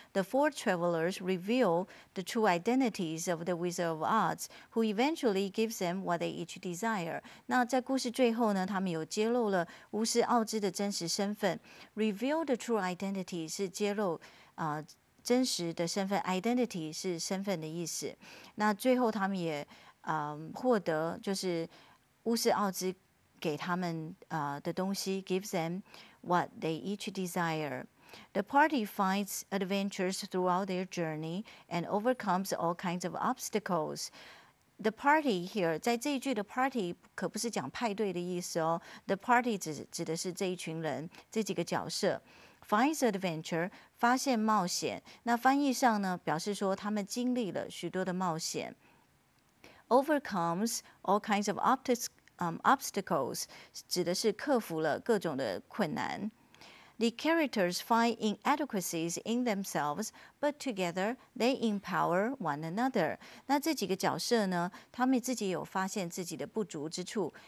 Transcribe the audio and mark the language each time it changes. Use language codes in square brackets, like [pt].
[en] The four travelers reveal the true identities of the Wizard of Oz, who eventually gives them what they each desire. [zh] 那在故事最后呢，他们有揭露了巫师奥兹的真实身份。 [en] Reveal the true identity [zh] 是揭露真实的身份， identity 是身份的意思。那最后他们也获得就是巫师奥兹给他们的东西， [en] gives them what they each desire. The party finds adventures throughout their journey and overcomes all kinds of obstacles. The party here [zh] 在这一句的 party 可不是讲派对的意思哦， the party 指的是这一群人，这几个角色。 [en] Finds adventure [zh] 发现冒险，那翻译上呢表示说他们经历了许多的冒险。 [en] Overcomes all kinds of obstacles [zh] 指的是克服了各种的困难。 [en] The characters find inadequacies in themselves, but together they empower one another. [zh] 那这几个角色呢，他们自己有发现自己的不足之处。